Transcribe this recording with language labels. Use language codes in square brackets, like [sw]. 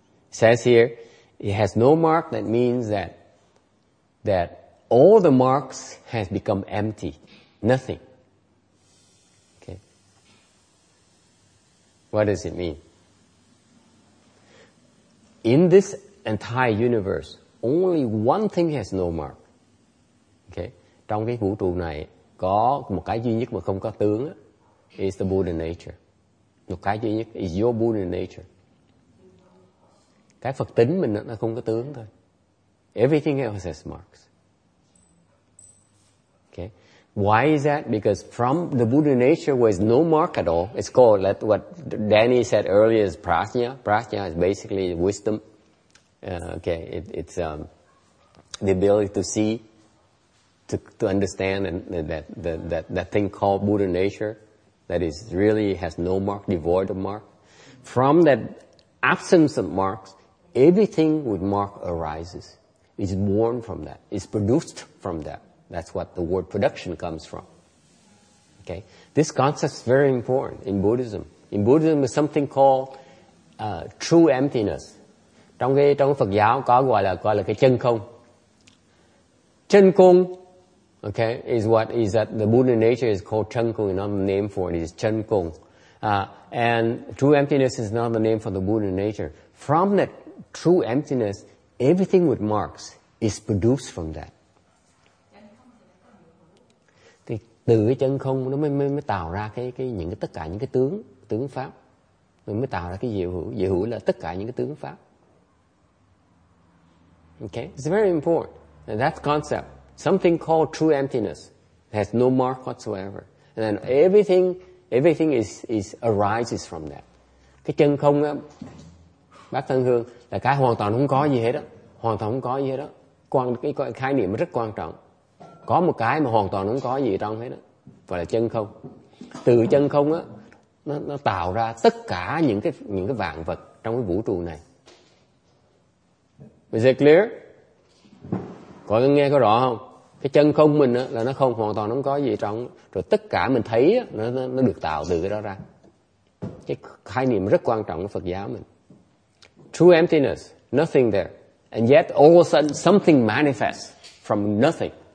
[en] It says here, it has no mark, that means that all the marks has become empty, nothing. Okay. What does it mean? In this entire universe, only one thing has no mark. Okay. [vi] Trong cái vũ trụ này có một cái duy nhất mà không có tướng, is the Buddha nature. Một cái duy nhất is your Buddha nature. Cái Phật tính mình nó không có tướng thôi. [en] Everything else has marks. Why is that? Because from the Buddha nature, where there's no mark at all, it's called, like what Danny said earlier, is prajna. Prajna is basically wisdom. It's the ability to see, to understand that thing called Buddha nature, that is really has no mark, devoid of mark. From that absence of marks, everything with mark arises. It's born from that. It's produced from that. That's what the word production comes from. Okay, this concept is very important in Buddhism. In Buddhism, there's something called true emptiness. [vi] Trong Phật giáo có gọi là cái chân không. [en] Chân không, okay, is that the Buddha nature is called chân không. Another name for it is chân không. And true emptiness is another name for the Buddha nature. From that true emptiness, everything with marks is produced from that. [vi] Từ cái chân không nó mới tạo ra tất cả những cái tướng pháp. Nó mới tạo ra cái diệu hữu là tất cả những cái tướng pháp. [en] Okay, it's very important. And that concept, something called true emptiness, has no mark whatsoever. And then everything is arises from that. [vi] Cái chân không á, bác Thân Hương, là cái hoàn toàn không có gì hết đó. Hoàn toàn không có gì hết đó. Còn cái khái niệm rất quan trọng. Có một cái mà hoàn toàn không có gì trong hết đó, gọi là chân không. Từ chân không á, nó tạo ra tất cả những cái vạn vật trong cái vũ trụ này. Is it clear? Có nghe có rõ không? Cái chân không mình á, là nó không, hoàn toàn nó không có gì trong. Rồi tất cả mình thấy á, nó được tạo từ cái đó ra. Cái khái niệm rất quan trọng của Phật giáo mình. [en] True emptiness, nothing there. And yet all of a sudden something manifests from nothing.